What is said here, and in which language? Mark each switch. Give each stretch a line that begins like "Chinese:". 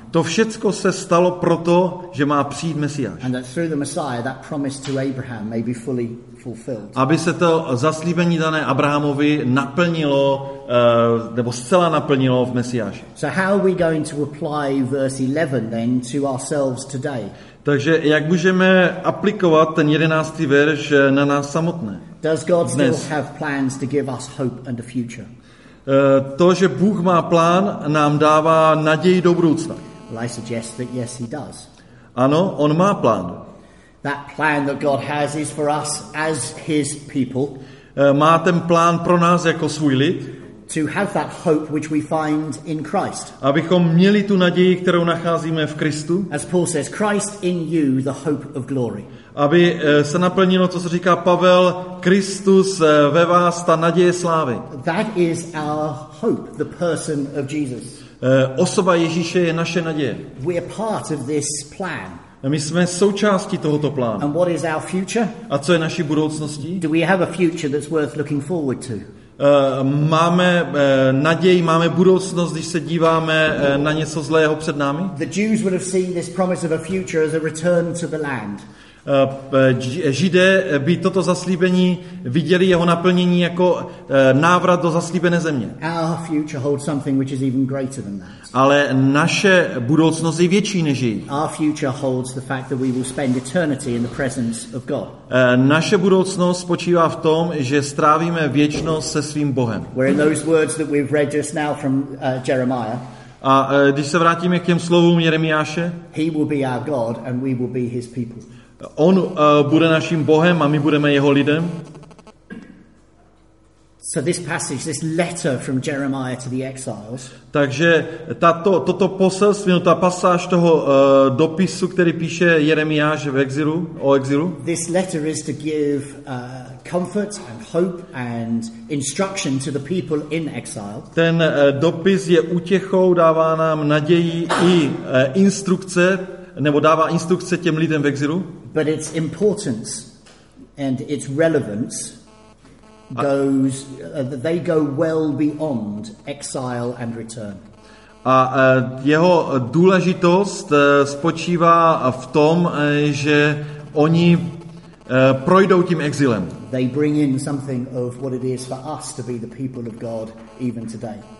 Czech: To všecko se stalo proto, že má přijít Mesiáš.
English: And that through the Messiah that promise to Abraham may be fully fulfilled.
Czech: Aby se to zaslíbení dané Abrahamovi naplnilo, nebo zcela naplnilo v Mesiáši.
English: So how are we going to apply verse 11 then to ourselves today?
Czech: Takže jak můžeme aplikovat ten 11. verš na nás samotné?
English: Does God still have plans to give us hope and a future?
Czech: To, že Bůh má plán, nám dává naději do budoucna.
English: Well, I suggest that yes, he does.
Czech: Ano, on má plán.
English: That plan that God has is for us as his people.
Czech: Má ten plán pro nás jako svůj lid.
English: To have that hope which we find in Christ.
Czech: Abychom měli tu naději, kterou nacházíme v Kristu.
English: As Paul says, Christ in you, the hope of glory.
Czech: Aby se naplnilo to, co říká Pavel, Kristus ve vás, ta naděje slávy.
English: That is our hope, the person of Jesus.
Czech: Osoba Ježíše je naše naděje.
English: We are part of this plan.
Czech: My jsme součástí tohoto plánu.
English: And what is our future?
Czech: A co je naší budoucností?
English: Do we have a future that's worth looking forward to?
Czech: Máme naději, máme budoucnost, když se díváme na něco zlého před námi.
English: The Jews would have seen this promise of a future as a return to the land.
Czech: Židé by toto zaslíbení viděli jeho naplnění jako návrat do zaslíbené země.
English: Our future holds something which is even greater than that.
Czech: Ale naše budoucnost je větší než její.
English: Our future holds the fact that we will spend eternity in the presence of God.
Czech: Naše budoucnost spočívá v tom, že strávíme věčnost se svým Bohem.
English: Where in those words that we've read just now from Jeremiah.
Czech: A když se vrátíme k těm slovům Jeremiáše.
English: He will be our God and we will be his people.
Czech: On bude naším Bohem a my budeme jeho lidem.
English: So this passage, this letter from Jeremiah to the exiles.
Czech: Takže toto poselství, ta pasáž toho dopisu, který píše Jeremiáš v exilu, o exilu.
English: This letter is to give comfort and hope and instruction to the people in exile.
Czech: Ten dopis je útěchou, dává nám naději i instrukce, nebo dává instrukce těm lidem v exilu.
English: But its importance and its relevance goes that they go well beyond exile and return.
Czech: A jeho důležitost spočívá v tom, že oni projdou tím exilem.
English: They bring in something of what it is for us to be the people of God even today.